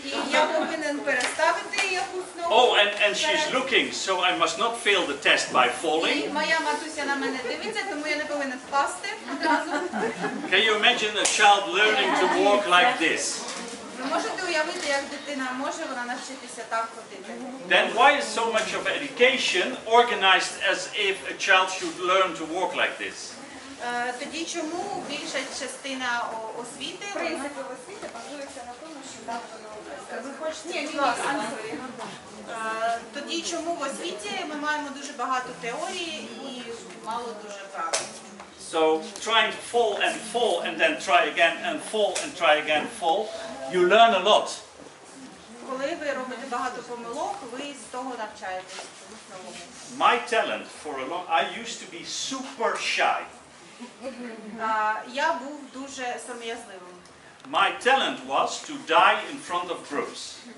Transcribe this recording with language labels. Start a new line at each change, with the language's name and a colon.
Ukrainian: Я повинен переставити якусь ногу.
English: Oh, and she's looking, so I must not fail the test by falling.
Ukrainian: Моя матуся на мене дивиться, тому я не повинен впасти одразу.
English: Can you imagine a child learning to walk like this?
Ukrainian: Ви можете уявити, як дитина може вона навчитися так ходити?
English: Then why is so much of education organized as if a child should learn to walk like this?
Ukrainian: Тоді чому більша частина освіти? Принципи освіти базуються на тому, що багато наука. Ви хочете? Ні, ні. Тоді чому в освіті ми маємо дуже багато теорії і мало дуже практики?
English: So trying to fall and then try again and fall and try again fall, you learn a lot.
Ukrainian: Коли ви робите багато помилок, ви з того навчаєтесь.
English: My talent for a long I used to be super shy.
Ukrainian: Я був дуже сором'язливим.
English: My talent was to die in front of groups.